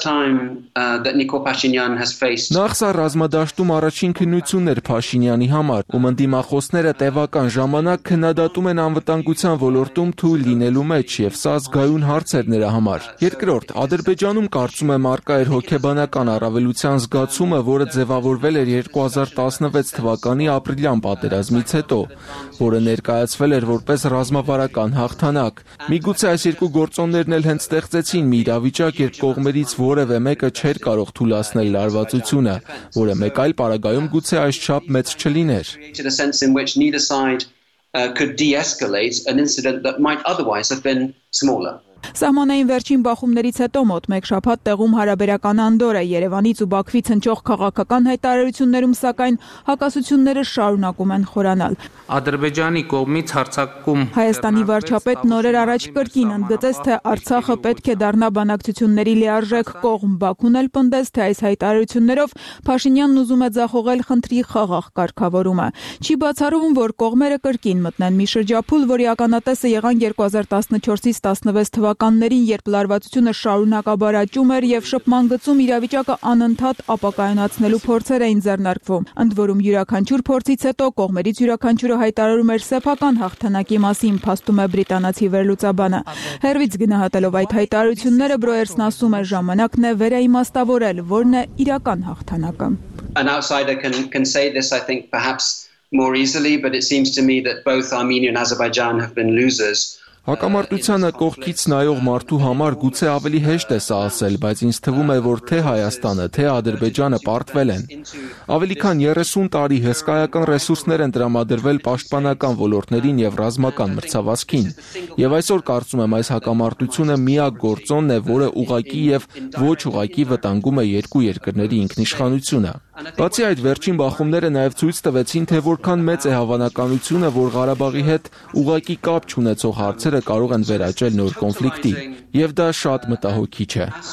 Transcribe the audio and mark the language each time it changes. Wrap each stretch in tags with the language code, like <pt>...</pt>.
<hy>Նախ սա ռազմադաշտում առաջին քննություն էր Փաշինյանի համար, ու մնդիմախոսները տևական ժամանակ քննադատում են անվտանգության ոլորտում թույլ լինելու մեջ, եւ սա զգայուն հարց էր նրա համար։ Երկրորդ, Ադրբեջանում կարծում եմ առկա էր հոգեբանական առավելության զգացումը, որը ձևավորվել էր 2016 թվականի ապրիլյան պատերազմից հետո, որը ներկայացվել էր որպես ռազմավարական հաղթանակ։ Միգուցե այս երկու գործոններն էլ հենց ստեղծեցին մի իրավիճակ, երբ կողմերից որևէ մեկը չէր կարող թույլատրել լարվածությունը, որը մեկ այլ պարագայում գուցե այս չափ մեծ չլիներ։</hy> <en>Could de-escalate an incident that might otherwise have been smaller.</en> <hy>Սահմանային վերջին բախումներից հետո մոտ մեկ շաբաթ տեղում հարաբերական անդոր է Երևանից ու Բաքվից հնչող քաղաքական հայտարարություններում, սակայն հակասությունները շարունակում են խորանալ։ Ադրբեջանի կողմից հարցակում Հայաստանի վարչապետ նորեր առաջ կրկին ընդգծեց, թե Արցախը պետք է դառնա բանակցությունների լիարժեք կողմ, Բաքուն էլ պնդեց, թե այս հայտարարություններով Փաշինյանն ուզում է ձախողել խնդրի խաղաղ կարգավորումը։ Չի բացառվում, որ կողմերը կրկին մտնեն մի շրջափուլ, որի ականատեսը եղան 2014-ից 16 թվականներին, երբ լարվածությունը շարունակաբար աճում էր եւ շփման գծում իրավիճակը անընդհատ ապակայունացնելու փորձեր էին ձեռնարկվում։ Ընդ որում յուրաքանչյուր փորձից հետո կողմերից յուրաքանչյուրը հայտարարում էր սեփական հաղթանակի մասին, փաստում է բրիտանացի վերլուծաբանը։ Հերվից գնահատելով այդ հայտարարությունները, Բրոերսն ասում է, ժամանակն է վերաիմաստավորել, որն է իրական հաղթանակը։</hy> <en>an outsider can say this, I think, perhaps more easily, but it seems to me that both Armenia and Azerbaijan have been losers.</en> <hy>Հակամարտությանը կողքից նայող մարդու համար գուցե ավելի հեշտ է սա ասել, բայց ինձ թվում է, որ թե Հայաստանը, թե Ադրբեջանը պարտվել են։ Ավելի քան 30 տարի հսկայական ռեսուրսներ են տրամադրվել պաշտպանական ոլորտներին եւ ռազմական մրցավազքին։ Եվ այսօր կարծում եմ, այս հակամարտությունը միակ գործոնն է, որը ուղակի եւ ոչ ուղակի վտանգում է երկու երկրների ինքնիշխանությունը։ Բացի այդ, վերջին բախումները նաև ցույց տվեցին, թե որքան մեծ է հավանականությունը, որ Ղարաբաղի հետ ուղակի կապ չունեցող հարցերը կարող են վերաճել նոր կոնֆլիկտի, եւ դա շատ մտահոգիչ է։</hy>